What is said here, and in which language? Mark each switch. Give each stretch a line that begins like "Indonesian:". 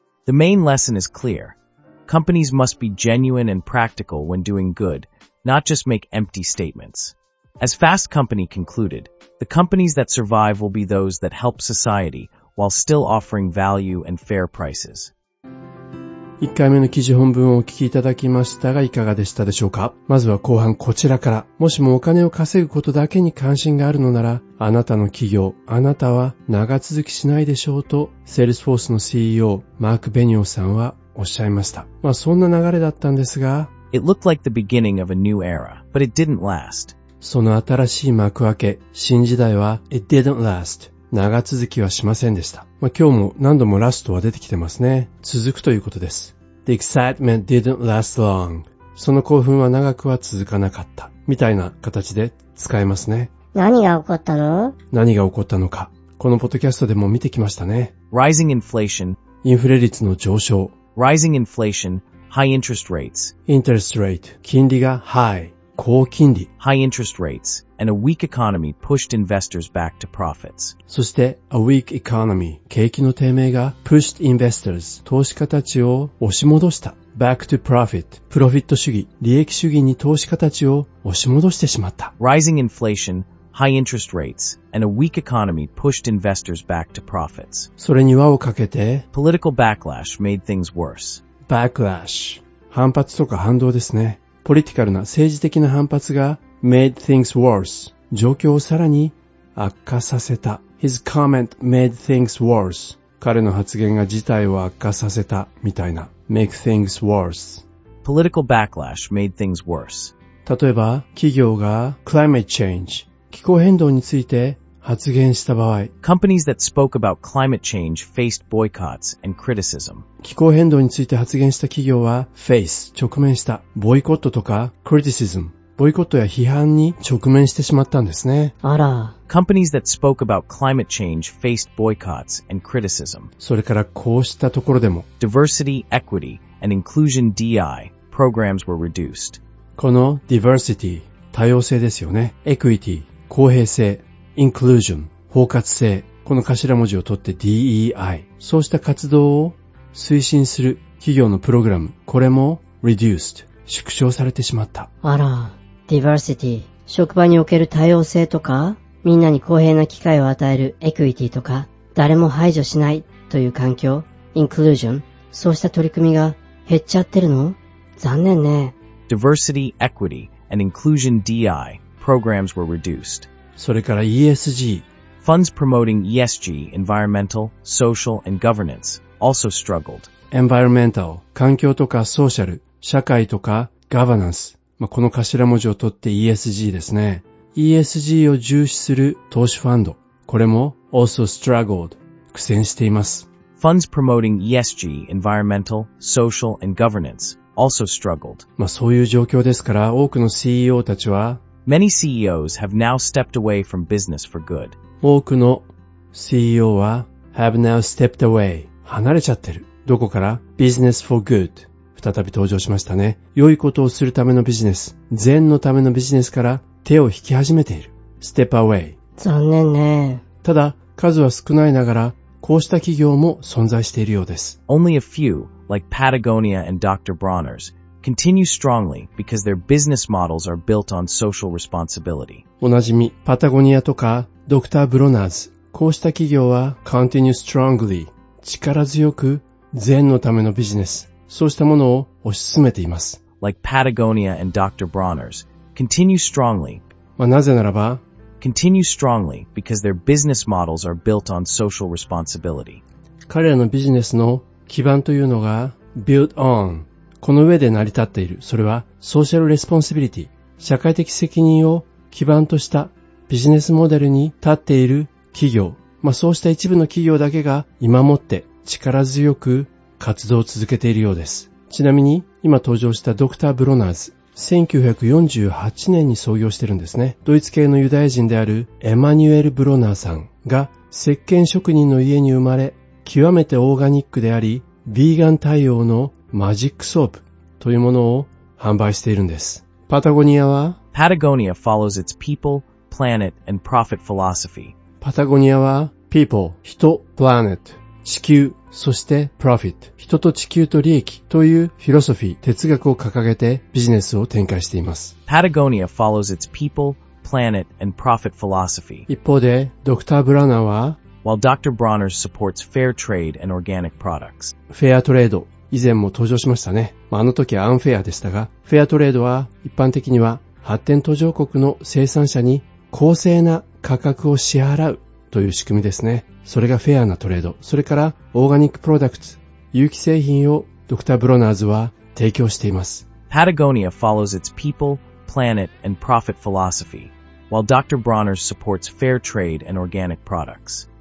English: The main lesson is clear. Companies must be genuine and practical when doing good, not just make empty statements. As Fast Company concluded, the companies that survive will be those that help society while still offering value and fair prices.
Japanese: 1回目の記事本文をお聞きいただきましたが、いかがでしたでしょうか。まずは後半こちらから。もしもお金を稼ぐことだけに関心があるのなら、あなたの企業、あなたは長続きしないでしょうと、Salesforce の CEO、マーク・ベニオさんはおっしゃいました。まあそんな流れだったんですが、
English: It looked like the beginning of a new era, but it didn't last.
Japanese: その新しい幕開け、新時代は、
English: It didn't last.
Japanese: 長続きはしませんでした。まあ、今日も何度もラストは出てきてますね。続くということです。
English: The excitement didn't last long.
Japanese: その興奮は長くは続かなかった。みたいな形で使えますね。何が起こったの？何が起こったのか。このポッドキャストでも見てきましたね。
English: Rising inflation.
Japanese: インフレ率の上昇。
English: Rising inflation. High interest rates. Interest rate.
Japanese: 金利が high。高金利。
English: High interest rates. And a weak economy pushed investors back to profits.
Japanese: そして
English: a weak economy
Japanese: 景気の低迷が
English: pushed investors
Japanese: 投資家たちを押し戻した
English: back to profit
Japanese: プロフィット主義利益主義に投資家たちを押し戻してしまった
English: rising inflation high interest rates and a weak economy pushed investors back to profits.
Japanese: それに輪をかけて
English: political backlash made things worse.
Japanese: backlash 反発とか反動ですね。ポリティカルな政治的な反発が
English: made things worse
Japanese: 状況をさらに悪化させた
English: His comment made things worse
Japanese: 彼の発言が事態を悪化させたみたいな
English: make things worse Political backlash made things worse
Japanese: 例えば企業が climate change 気候変動について発言した場合
English: Companies that spoke about climate change faced boycotts and criticism
Japanese: 気候変動について発言した企業は face 直面したボイコットとか criticismボイコットや批判に直面してしまったんですね。あら。
English: Companies that spoke about climate change faced boycotts and criticism.
Japanese: それからこうしたところでも。
English: Diversity, equity, and inclusion DI programs were reduced.
Japanese: この diversity 多様性ですよね。equity 公平性、inclusion 包括性。この頭文字を取って DEI。そうした活動を推進する企業のプログラム、これも reduced。縮小されてしまった。あら、diversity、職場における多様性とか、みんなに公平な機会を与える equity とか、誰も排除しないという環境、inclusion、そうした取り組みが減っちゃってるの？残念ね。
English: diversity, equity, and inclusion DI programs were reduced.
Japanese: それから ESG。
English: Funds promoting ESG, environmental, social, and governance, also struggled.
Japanese: environmental, 環境とかソーシャル。社会とかガバナンス、まあ、この頭文字を取って ESG ですね。 ESG を重視する投資ファンド、これも
English: also struggled
Japanese: 苦戦しています。
English: Funds promoting ESG, environmental, social and governance also struggled。
Japanese: まあそういう状況ですから、多くの CEO たちは
English: Many CEOs have now stepped away from business for good。
Japanese: 多くの CEO は
English: have now stepped away
Japanese: 離れちゃってる。どこから
English: business for good。
Japanese: 再び登場しましたね。良いことをするためのビジネス、善のためのビジネスから手を引き始めている。
English: Step away。
Japanese: 残念ね。ただ、数は少ないながら、こうした企業も存在しているようです。
English: Only a few, like Patagonia and Dr. Bronner's, continue strongly because their business models are built on social responsibility.
Japanese: おなじみ、パタゴニアとか、ドクター・ブロナーズ。こうした企業は、
English: continue strongly、
Japanese: 力強く、善のためのビジネス。そうしたものを推し進めています。
English: Like Patagonia and Dr. Bronner's, continue strongly.
Japanese: まあなぜならば、
English: continue strongly because their business models are built on social responsibility.
Japanese: 彼らのビジネスの基盤というのが、
English: built on.
Japanese: この上で成り立っている。
English: それは、social responsibility.
Japanese: 社会的責任を基盤としたビジネスモデルに立っている企業。まあそうした一部の企業だけが今もって力強く活動を続けているようです。ちなみに、今登場したドクター・ブロナーズ、1948年に創業してるんですね。ドイツ系のユダヤ人であるエマニュエル・ブロナーさんが、石鹸職人の家に生まれ、極めてオーガニックであり、ビーガン対応のマジックソープというものを販売しているんです。パタゴニアは
English: Patagonia follows its people, planet, and profit philosophy.
Japanese: パタゴニアは people, 人、planet, 地球、そして profit, 人と地球と利益というフィロソフィー、哲学を掲げてビジネスを展開しています。
English: Patagonia follows its people, planet, and profit philosophy.
Japanese: 一方で、ドクター・ブラナーは
English: While Dr. Bronner supports fair trade and organic products.
Japanese: フェアトレード、以前も登場しましたね。まあ、あの時はアンフェアでしたが、フェアトレードは一般的には発展途上国の生産者に公正な価格を支払うという仕組みですね。それがフェアなトレード。それからオーガニックプロダクツ、有機製品をドクター・ブロナーズは提供しています。
English: Patagonia follows its people, planet, and profit philosophy, while Dr. Bronner supports fair trade and organic products.